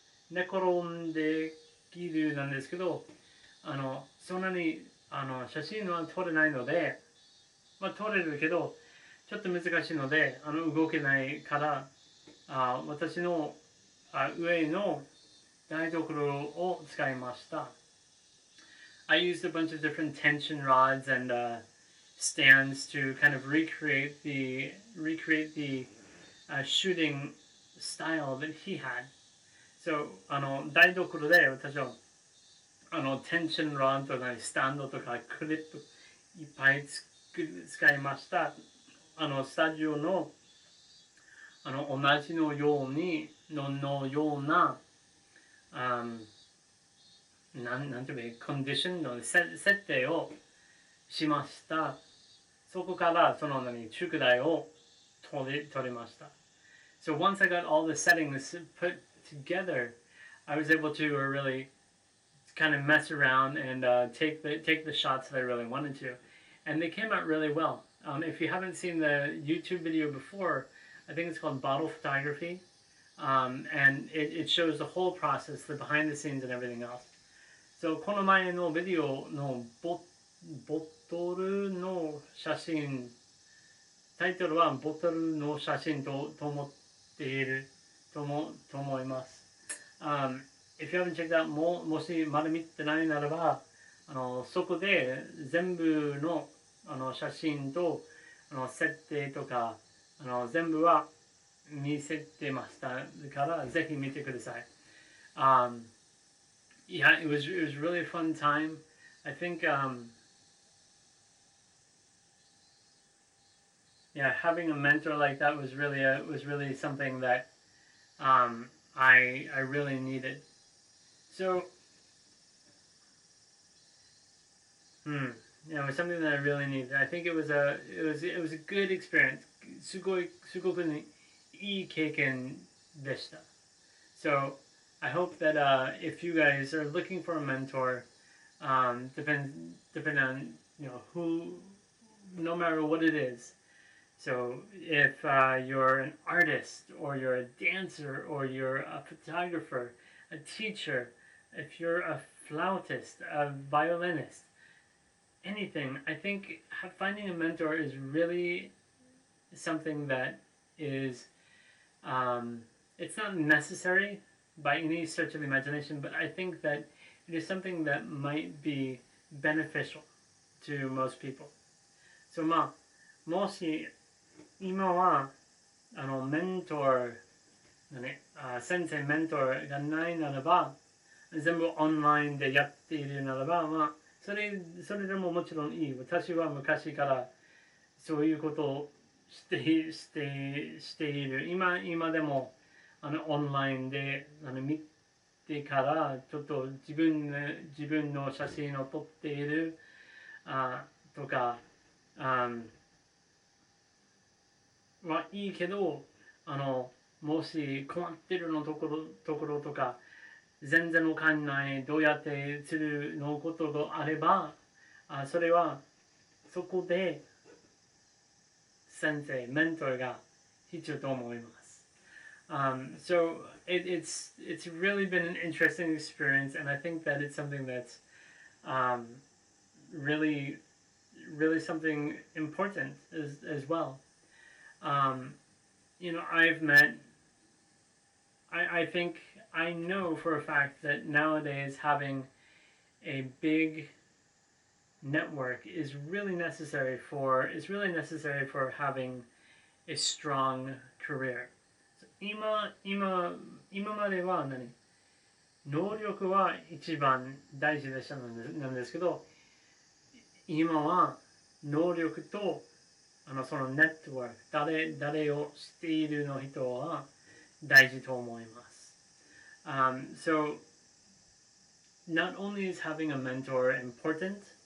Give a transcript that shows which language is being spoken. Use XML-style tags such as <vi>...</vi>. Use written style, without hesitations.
<ja>寝転んできるなんですけど、そんなに写真は撮れないので、まあ、撮れるけどちょっと難しいので動けないから、私の上の台所を使いました。</ja> <en>I used a bunch of different tension rods and stands to kind of recreate the shooting style that he had.</en> <ja>So 台所で私はテンションロンとかスタンドとかクリップいっぱい使いました。スタジオの同じのようにのようなな何ていうかコンディションの設定をしました。そこからその宿題を取りました。</ja> <en>So once I got all the settings put together, I was able to reallykind of mess around and take the shots that I really wanted to, and they came out really well. If you haven't seen the YouTube video before, I think it's called Bottle Photography, and it shows the whole process, the behind the scenes and everything else.</en> <ja>So この前のビデオのボトルの写真、タイトルはボトルの写真と思っていると思います。</ja> <en>If you haven't checked out,</en> <ja>もしまだ見てないならば、そこで全部の写真と設定とか全部は見せてましたから、ぜひ見てください。</ja> <en>Yeah, it was really fun time. I think, having a mentor like that was really something that I really needed. Something that I really needed. I think it was a good experience.</en> <ja>すごくいい経験でした。</ja> <en>So I hope that if you guys are looking for a mentor, depend on who, no matter what it is. So if you're an artist or you're a dancer or you're a photographer, a teacher. If you're a flautist, a violinist, anything, I think finding a mentor is really something that is It's not necessary by any stretch of the imagination, but I think that it is something that might be beneficial to most people.</en> <ja>So, まあ、もし今はあのメントーなね、先生メントーがないならば、全部オンラインでやっているならば、まあ、それでももちろんいい。私は昔からそういうことをしている。今でもあのオンラインで見てからちょっと自分の写真を撮っているとかはいいけど、あのもし困ってるのところとか全然わかんないどうやってするのことがあれば、それはそこで先生、メンターが必要と思います。</ja> <en>So it's really been an interesting experience, and I think that it's something that's really something important as well. You know, I've met. I think I know for a fact that nowadays having a big network is really necessary for having a strong career.</en> <ja>So, 今までは何？能力は一番大事でしたなんですけど、今は能力とあのそのネットワーク、誰を知っているの人は大事と思います。</ja> <en>So not only is having a mentor important.</en>